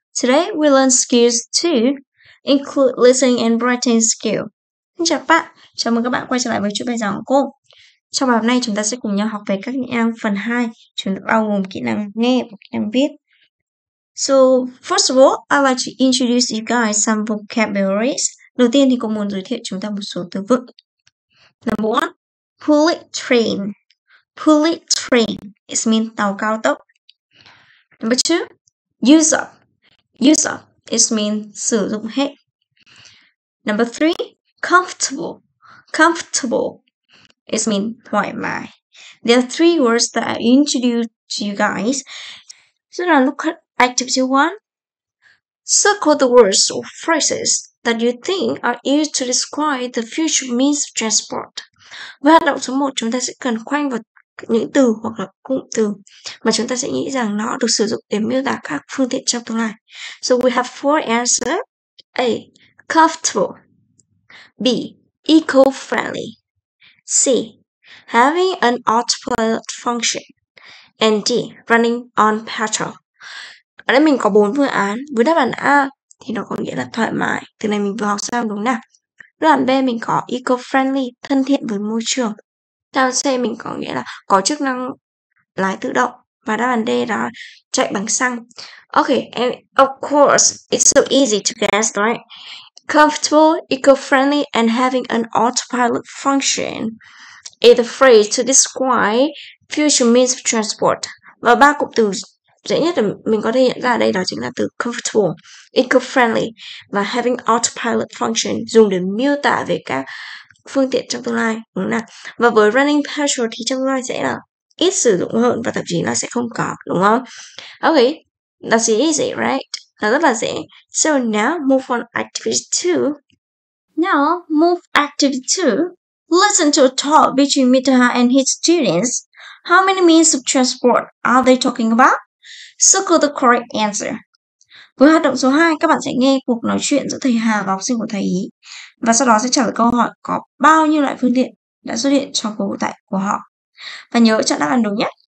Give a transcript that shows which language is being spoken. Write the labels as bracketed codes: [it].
[en] Today we learn skills 2, include listening and writing skill. [vi] Xin chào các bạn, chào mừng các bạn quay trở lại với chuỗi bài giảng của cô. Trong bài hôm nay chúng ta sẽ cùng nhau học về các nhãn hàng phần 2, chúng ta bao gồm kỹ năng nghe và kỹ năng viết. [en] So, first of all, I'd like to introduce you guys some vocabularies. [vi] Đầu tiên thì cô muốn giới thiệu chúng ta một số từ vựng. [en] Number one, bullet train. Bullet train is mean [vi] tàu cao tốc. [en] Number two, use up. Use up is mean [vi] sử dụng hết. [en] Number three, comfortable. Comfortable is mean [vi] thoải mái. [en] There are three words that I introduced to you guys. So now look at activity one. Circle the words or phrases that you think are used to describe the future means of transport. Với hoạt động số 1, chúng ta sẽ cần khoanh vào những từ hoặc là cụm từ mà chúng ta sẽ nghĩ rằng nó được sử dụng để miêu tả các phương tiện trong tương lai. So we have four answers. A. Comfortable. B. Eco-friendly. C. Having an autopilot function. And D. Running on petrol. [vi] Ở đây mình có 4 phương án. Với đáp án A thì nó có nghĩa là thoải mái. Từ này mình vừa học xong đúng không nào? Đáp án B mình có eco-friendly, thân thiện với môi trường. Đáp án C mình có nghĩa là có chức năng lái tự động. Và đáp án D đó chạy bằng xăng. [en] Okay, and of course, it's so easy to guess, right? Comfortable, eco-friendly, and having an autopilot function is the phrase to describe future means of transport. [vi] Và ba cụm từ dễ nhất là mình có thể nhận ra đây đó chính là từ comfortable, eco-friendly và having autopilot function dùng để miêu tả về các phương tiện trong tương lai, đúng không? Và với running petrol thì trong tương lai sẽ là ít sử dụng hơn và thậm chí là sẽ không có, đúng không? [en] Okay, that's easy, right? [vi] Là rất là dễ. [en] So now move on activity 2. Now move activity 2. Listen to a talk between Mitha and his students. How many means of transport are they talking about? Circle the correct answer. [vi] Với hoạt động số 2, các bạn sẽ nghe cuộc nói chuyện giữa thầy Hà và học sinh của thầy Ý. Và sau đó sẽ trả lời câu hỏi có bao nhiêu loại phương tiện đã xuất hiện trong cuộc hội thoại của họ. Và nhớ chọn đáp án đúng nhé.